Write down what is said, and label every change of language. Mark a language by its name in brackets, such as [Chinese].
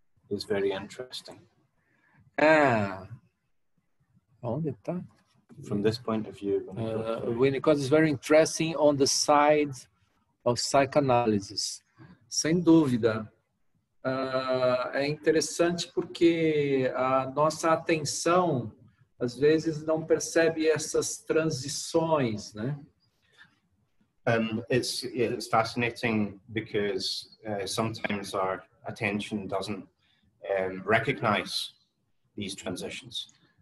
[English] It's very interesting. [Portuguese] Onde está? [English] From this point of view, Winnicott is very interesting on the side of psychoanalysis. [Portuguese] Sem dúvida. É interessante porque a nossa atenção às vezes não percebe essas transições, né? [English] It's fascinating because sometimes our attention doesn't recognize these transitions.